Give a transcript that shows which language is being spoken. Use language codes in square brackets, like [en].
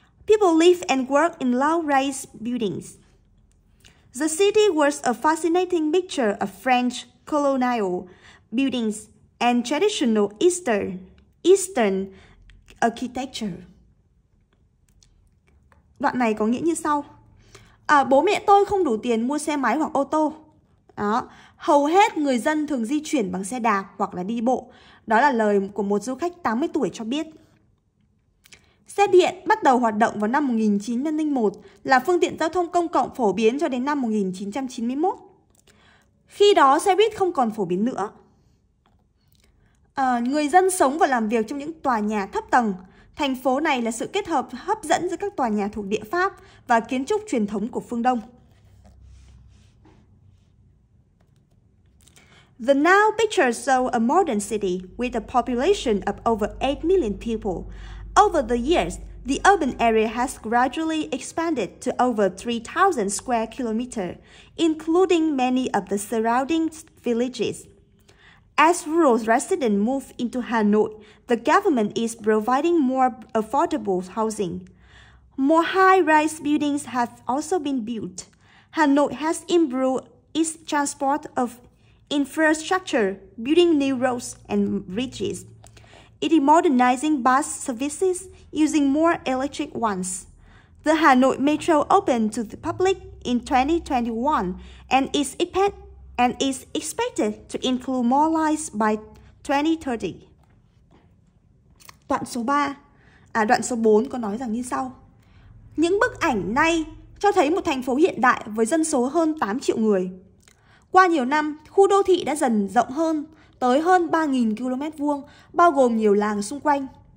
[en] People lived and worked in low-rise buildings. The city was a fascinating mixture of French colonial buildings and traditional Eastern architecture. [vi] Đoạn này có nghĩa như sau. Bố mẹ tôi không đủ tiền mua xe máy hoặc ô tô. Đó. Hầu hết người dân thường di chuyển bằng xe đạp hoặc là đi bộ. Đó là lời của một du khách 80 tuổi cho biết. Xe điện bắt đầu hoạt động vào năm 1901, là phương tiện giao thông công cộng phổ biến cho đến năm 1991. Khi đó xe buýt không còn phổ biến nữa. Người dân sống và làm việc trong những tòa nhà thấp tầng. Thành phố này là sự kết hợp hấp dẫn giữa các tòa nhà thuộc địa Pháp và kiến trúc truyền thống của phương Đông. [en] The now picture shows a modern city with a population of over 8 million people. Over the years, the urban area has gradually expanded to over 3,000 square kilometers, including many of the surrounding villages. As rural residents move into Hanoi, the government is providing more affordable housing. More high-rise buildings have also been built. Hanoi has improved its transport of infrastructure, building new roads and bridges. It is modernizing bus services using more electric ones. The Hanoi Metro opened to the public in 2021 and is expected to include more lines by 2030. [vi] Đoạn số 3. Đoạn số 4 có nói rằng như sau. Những bức ảnh này cho thấy một thành phố hiện đại với dân số hơn 8 triệu người. Qua nhiều năm, khu đô thị đã dần rộng hơn, tới hơn 3.000 km², bao gồm nhiều làng xung quanh.